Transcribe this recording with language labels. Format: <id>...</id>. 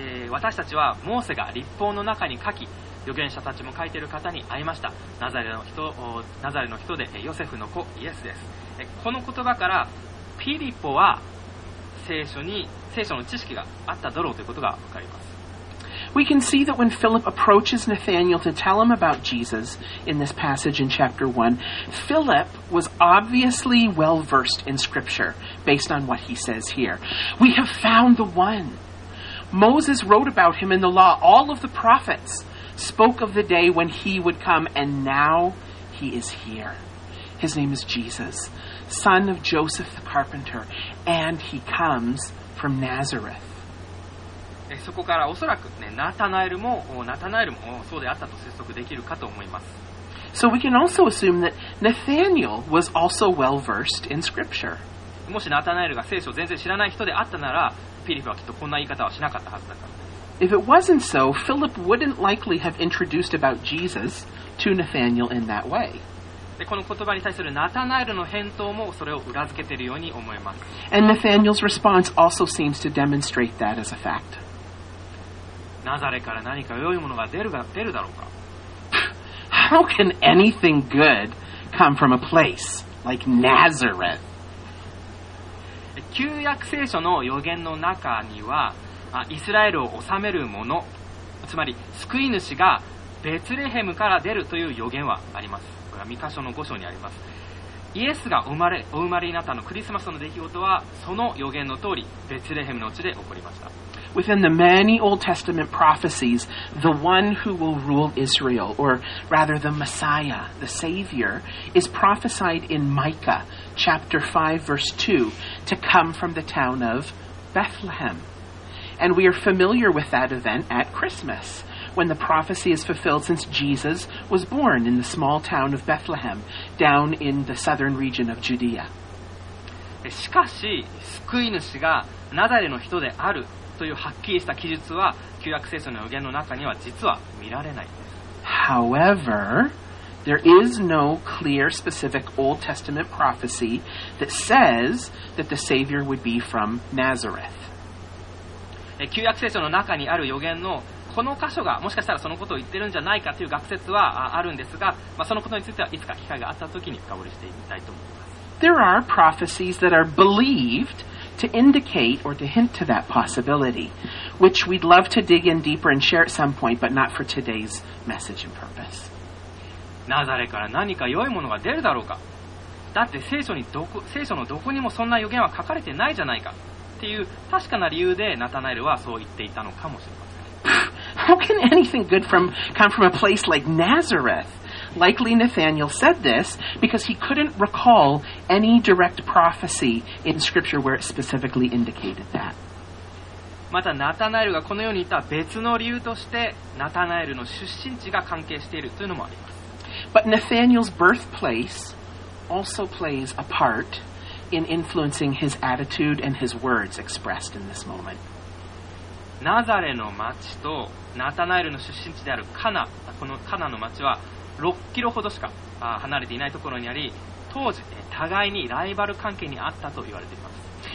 <ja>私たちはモーセが律法の中に書き、預言者たちも書いている方に会いました。ナザレの人でヨセフの子イエスです。この言葉からピリポは聖書の知識があっただろうということがわかります。</ja> <en>We can see that when Philip approaches Nathanael to tell him about Jesus in this passage in chapter 1, Philip was obviously well versed in scripture based on what he says here. We have found the one. Moses wrote about him in the law. All of the prophets spoke of the day when he would come, and now he is here. His name is Jesus, son of Joseph the carpenter, and he comes from Nazareth.</en> <ja>そこからおそらく、ね、ナタナエルもそうであったと推測できるかと思います。</ja> <en>So we can also assume that Nathanael was also well versed in scripture.</en> <ja>もしナタナエルが聖書を全然知らない人であったなら、フィリップはきっとこんな言い方はしなかったはずだから。</ja> <en>If it wasn't so, Philip wouldn't likely have introduced about Jesus to Nathanael in that way.</en> <ja>でこの言葉に対するナタナエルの返答もそれを裏付けているように思います。</ja> <en>And Nathanael's response also seems to demonstrate that as a fact.</en> <ja>ナザレから何か良いものが出るだろうか。</ja> <en>How can anything good come from a place like Nazareth?</en> <ja>旧約聖書の予言の中には、イスラエルを治めるもの、つまり救い主がベツレヘムから出るという予言はあります。御箇所の5章にあります。イエスがお生まれになったのクリスマスの出来事はその予言の通りベツレヘムの地で起こりました。</ja> <en>Within the many Old Testament prophecies, the one who will rule Israel, or rather the Messiah, the Savior, is prophesied in Micah chapter 5 verse 2 to come from the town of Bethlehem. And we are familiar with that event at Christmas. When the prophecy is fulfilled, since Jesus was born in the small town of Bethlehem, down in the southern region of Judea.</en> <ja>しかし、救い主がナザレの人であるというはっきりした記述は、旧約聖書の予言の中には実は見られない。</ja> <en>However, there is no clear specific Old Testament prophecy that says that the Savior would be from Nazareth.</en> <ja>旧約聖書の中にある予言のこの箇所がもしかしたらそのことを言ってるんじゃないかという学説はあるんですが、まあ、そのことについてはいつか機会があったときに深掘りしてみたいと思います。</ja> <en>There are prophecies that are believed to indicate or to hint to that possibility, which we'd love to dig in deeper and share at some point, but not for today's message and purpose.</en> <ja>ナザレから何か良いものが出るだろうか。だって聖書のどこにもそんな予言は書かれてないじゃないかっていう確かな理由でナタナエルはそう言っていたのかもしれない。</ja> <en>How can anything good come from a place like Nazareth? Likely Nathanael said this because he couldn't recall any direct prophecy in scripture where it specifically indicated that.</en> <ja>またナタナエルがこのように言った別の理由としてナタナエルの出身地が関係しているというのもあります。</ja> <en>But Nathanael's birthplace also plays a part in influencing his attitude and his words expressed in this moment.</en> <ja>ナザレの町とナタナエルの出身地であるカナ、このカナの町は6キロほどしか離れていないところにあり、当時、互いにライバル関係にあったと言われています。</ja>